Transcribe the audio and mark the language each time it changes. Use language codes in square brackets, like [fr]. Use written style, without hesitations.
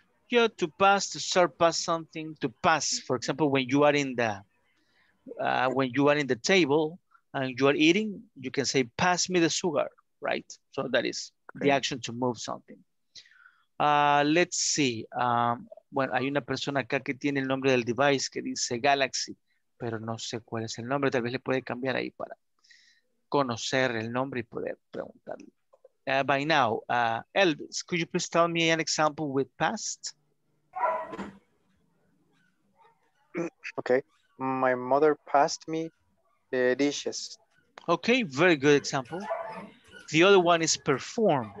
[en] Yeah, to pass, to surpass something, to pass. For example, when you are in the table and you are eating, you can say pass me the sugar, right? So that is the action to move something. Let's see. [es] Bueno, hay una persona acá que tiene el nombre del device que dice Galaxy, pero no sé cuál es el nombre. Tal vez le puede cambiar ahí para conocer el nombre y poder preguntarle. [en] By now, Elvis, could you please tell me an example with past? Okay. My mother passed me the dishes. Okay, very good example. The other one is perform.